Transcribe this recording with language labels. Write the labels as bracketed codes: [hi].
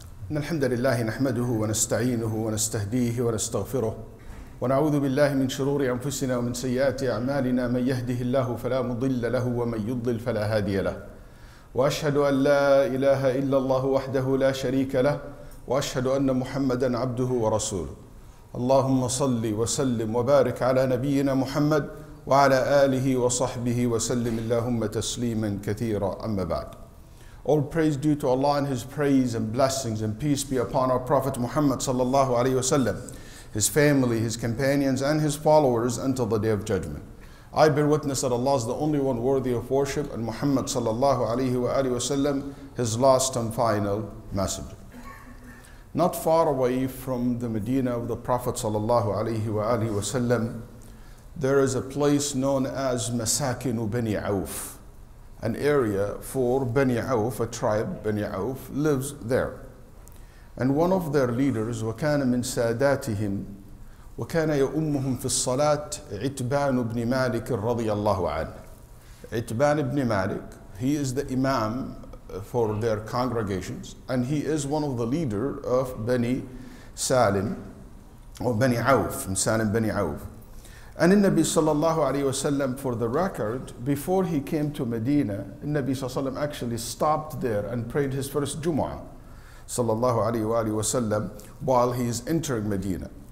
[ar] إن الحمد لله نحمده ونستعينه ونستهديه ونستغفره ونعوذ بالله من شرور أنفسنا ومن سيئات أعمالنا من يهده الله فلا مضل له ومن يضلل فلا هادي له وأشهد أن لا إله إلا الله وحده لا شريك له وأشهد أن محمدا عبده ورسوله اللهم صل وسلم وبارك على نبينا محمد وعلى آله وصحبه وسلم اللهم تسليما كثيرا أما بعد. [en] All praise due to Allah and His praise and blessings and peace be upon our Prophet Muhammad sallallahu alayhi wa sallam, his family, his companions and his followers until the Day of Judgment. I bear witness that Allah is the only one worthy of worship and Muhammad sallallahu alayhi wa sallam, his last and final messenger. Not far away from the Medina of the Prophet sallallahu alayhi wa sallam, there is a place known as Masakinu Bani Auf. An area for Bani Auf, a tribe, Bani Auf, lives there. And one of their leaders, [ar] وَكَانَ مِنْ سَادَاتِهِمْ وَكَانَ يَأُمُّهُمْ فِي الصَّلَاةِ عِتْبَانُ بْنِ مَالِكٍ رَضِيَ اللَّهُ عَنْهُ. [en] عِتْبَان ibn Malik, he is the imam for their congregations, and he is one of the leader of Bani Salim, or Bani Auf, from Salim Bani Auf. And in Nabi sallallahu alayhi wa sallam, for the record, before he came to Medina, Nabi sallallahu alayhi wa sallam actually stopped there and prayed his first Jumu'ah sallallahu alayhi wa sallam while he is entering Medina.